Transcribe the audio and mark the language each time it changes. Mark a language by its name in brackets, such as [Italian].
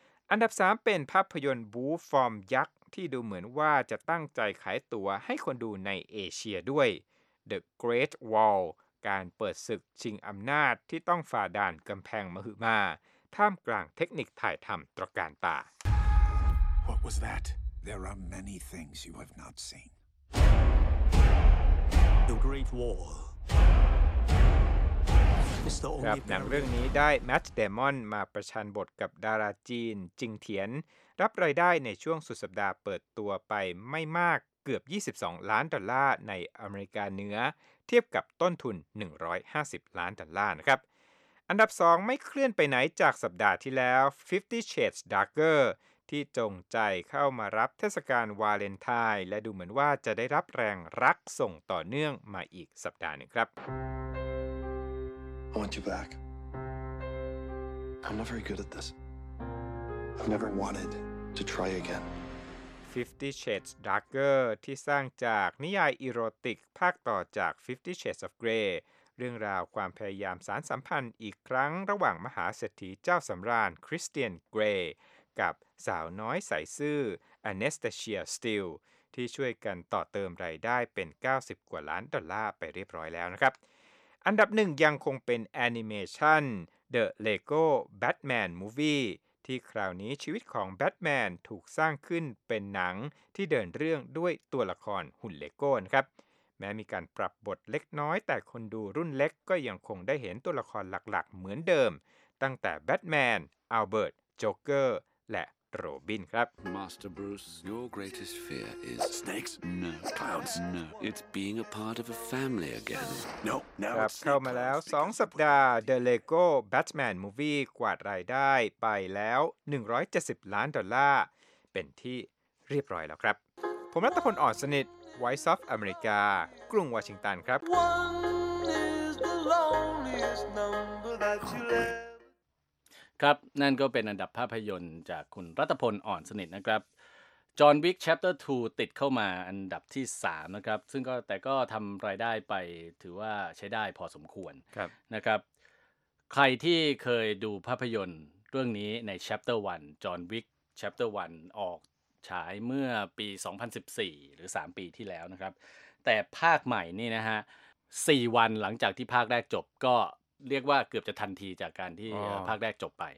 [Thai] อันดับ3เป็นภาพยนตร์บูฟอร์มยักษ์ที่ดูเหมือนว่าจะตั้งใจขายตัวให้คนดูในเอเชียด้วย The Great Wallการเปิดศึกชิงอำนาจที่ต้องฝ่าด่านกำแพงมหึมาท่ามกลางเทคนิคถ่ายทำตระการตา [English] What was that? There are many things you have not seen. The Great Wall. [Thai] ครับหนังเรื่องนี้ได้แมทเดมอนมาประชันบทกับดาราจีนจิงเทียนรับรายได้ในช่วงสุดสัปดาห์เปิดตัวไปไม่มากเกือบ$22,000,000ในอเมริกาเหนือเทียบกับต้นทุน$150,000,000นะครับอันดับ2ไม่เคลื่อนไปไหนจากสัปดาห์ที่แล้ว Fifty Shades Darker ที่จงใจเข้ามารับเทศกาลวาเลนไทน์และดูเหมือนว่าจะได้รับแรงรักส่งต่อเนื่องมาอีกสัปดาห์นึงครับ [English] I want you back I'm not very good at this I've never wanted to try again [Thai] Fifty Shades Darker ที่สร้างจากนิยายอีโรติกภาคต่อจาก Fifty Shades of Grey เรื่องราวความพยายามสานสัมพันธ์อีกครั้งระหว่างมหาเศรษฐีเจ้าสำราญคริสเตียนเกรย์กับสาวน้อยใสซื่ออเนสตาเชียสติลที่ช่วยกันต่อเติมรายได้เป็น$90,000,000ไปเรียบร้อยแล้วนะครับ อันดับหนึ่งยังคงเป็นแอนิเมชัน The Lego Batman Movieที่คราวนี้ชีวิตของแบทแมนถูกสร้างขึ้นเป็นหนังที่เดินเรื่องด้วยตัวละครหุ่นเลโก้นะครับแม้มีการปรับบทเล็กน้อยแต่คนดูรุ่นเล็กก็ยังคงได้เห็นตัวละครหลักๆเหมือนเดิมตั้งแต่แบทแมนอัลเบิร์ตโจ๊กเกอร์และโรบินครับ [English] Master Bruce your greatest fear is snakes no clowns no it's being a part of a family again no [Thai] ครับเข้ามาแล้ว2สัปดาห์ The Lego Batman Movie กวาดรายได้ไปแล้ว$170,000,000เป็นที่เรียบร้อยแล้วครับผมรัตพลอ่อนสนิท Voice of America กรุงวอชิงตันครับ [English] One is the loneliest number that you leve [Thai] ครับนั่นก็เป็นอันดับภาพยนตร์จากคุณรัตพลอ่อนสนิทนะครับ John Wick Chapter 2ติดเข้ามาอันดับที่3นะครับซึ่งก็แต่ก็ทำรายได้ไปถือว่าใช้ได้พอสมควร ครับ นะครับใครที่เคยดูภาพยนตร์เรื่องนี้ใน Chapter 1 John Wick Chapter 1ออกฉายเมื่อปี2014หรือ3ปีที่แล้วนะครับแต่ภาคใหม่นี่นะฮะ4วันหลังจากที่ภาคแรกจบก็เรียกว่าเกือบจะทันทีจากการที่ภาคแรกจบไป